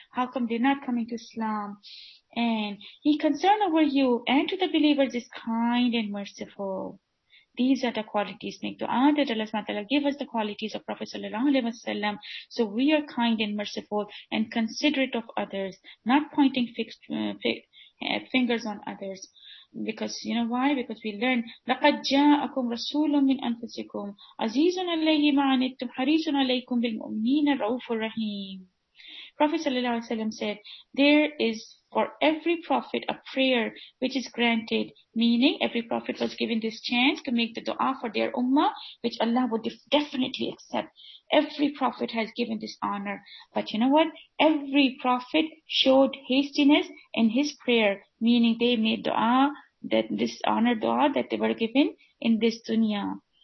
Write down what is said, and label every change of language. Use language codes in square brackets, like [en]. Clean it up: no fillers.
[en] How come they're not coming to Islam? And he concerned over you and to the believers is kind and merciful. These are the qualities. Make dua that Allah subhanahu wa ta'ala give us the qualities of Prophet sallallahu alaihi wasallam. So we are kind and merciful and considerate of others, not pointing fingers on others. Because you know why? Because we learn [ar] لَقَدْ جَاءَكُمْ رَسُولٌ مِنْ أَنفُسِكُمْ عَزِيزٌ عَلَيْهِ مَا عَنِتُّمْ حَرِيصٌ عَلَيْكُمْ بِالْمُؤْمِنِينَ رَؤُوفٌ رَحِيمٌ. [en] Prophet sallallahu alaihi wasallam said, there is for every prophet a prayer which is granted, meaning every prophet was given this chance to make the dua for their ummah, which Allah would definitely accept. Every prophet has given this honor. But you know what? Every prophet showed hastiness in his prayer, meaning they made dua, that this honor dua that they were given in this dunya.